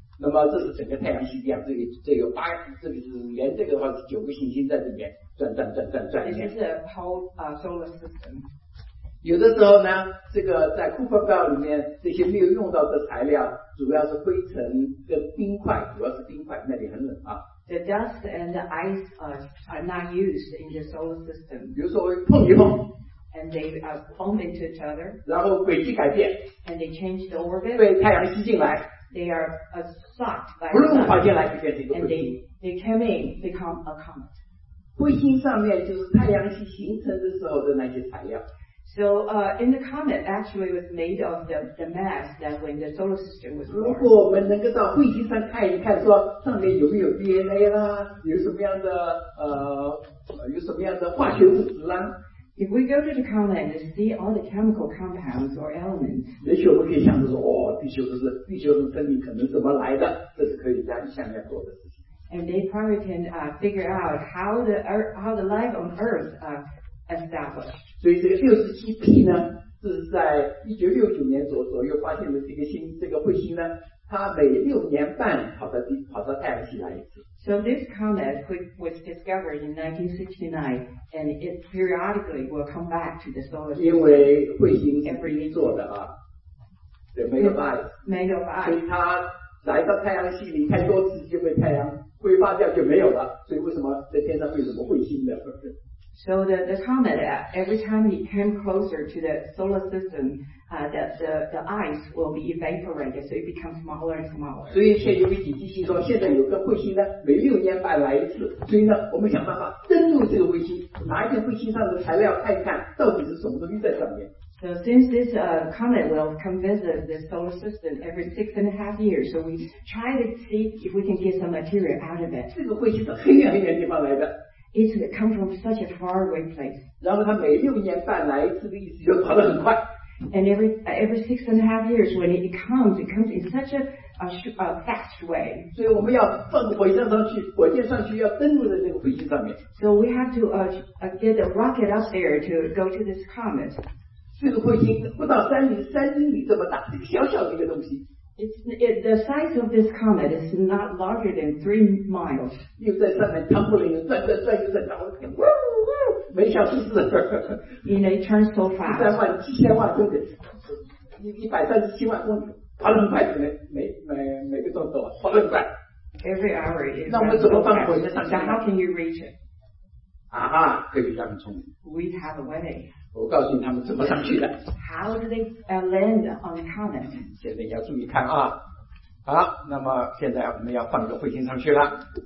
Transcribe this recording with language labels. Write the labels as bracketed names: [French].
[Chinese] 那么这是整个太阳系这样，这有八，这里是连这个的话是九个行星在里面转转转转转。 [English] This is a whole solar system. [Chinese] 有的时候呢，这个在 Kuiper Belt 里面这些没有用到的材料，主要是灰尘跟冰块，主要是冰块，那里很冷啊。 [English] The dust and the ice are not used in the solar system. [Chinese] 比如说会碰一碰 [English] ，and they bump into each other. [Chinese] 然后轨迹改变 [English] ，and they change the orbit. [Chinese] 被太阳吸进来 [English] ，they are sucked by. [Chinese] 不论跑进来就变成一个彗星 [English] ，and they come in become a comet. [Chinese] 彗星上面就是太阳系形成的时候的那些材料。 [English] So in the comet actually was made of the mass that when the solar system was born. [Chinese] 如果我们能够到彗星上看一看，说上面有没有 DNA 啦，有什么样的有什么样的化学物质啦。 [English] If we go to the comet and see all the chemical compounds or elements. [Chinese] 也许我们可以想着说，哦，地球的生命可能怎么来的？这是科学家下面做的事情。 [English] And they probably can figure out how the life on Earth established. [Chinese] 所以这个 67P 呢，是在1969年左右发现的这个彗星呢，它每六年半跑到太阳系来一次。 [English] So this comet was discovered in 1969, and it periodically will come back to the solar system. [Chinese] 因为彗星是冰做的啊，对，没有爱，没有爱，所以它来到太阳系里太多次就被太阳挥发掉就没有了，所以为什么在天上会有什么彗星呢？ [English] So the comet, every time it came closer to the solar system, the ice will be evaporated, so it becomes smaller and smaller. [Chinese] 所以现在有个统计师说，现在有个彗星呢，每六年半来一次。所以呢，我们想办法登陆这个彗星，拿一点彗星上的材料看一看，到底是什么东西在上面。 [English] So since this comet will come visit the solar system every 6.5 years, so we try to see if we can get some material out of it. [Chinese] 这个彗星是很远很远地方来的。 [English] It come from such a far away place. [Chinese] 然后它每六年半来一次的意思就跑得很快。 [English] And every 6.5 years when it comes in such a fast way. [Chinese] 所以我们要放火箭上去，火箭上去要登陆在这个彗星上面。 [English] So we have to get a rocket up there to go to this comet. [Chinese] 这个彗星不到三英里这么大，这个小小的一个东西。 [English] It's the size of this comet is not larger than 3 miles. [Chinese] 又在上面 tumbling 转，又在转，每小时是。 [English] And it turns so fast. [Chinese] 7000万公里，137万公里，跑得很快，每个钟头跑得很快。 [English] Every hour is. [Chinese] 那我们怎么放火箭上去？ [English] How can you reach it? [Chinese] 啊哈，科学家很聪明。 [English] We have a way. [Chinese] 我告诉你他们怎么上去的。 [English] How do they land on the comet? [Chinese] 现在要注意看啊。好，那么现在我们要放个彗星上去了。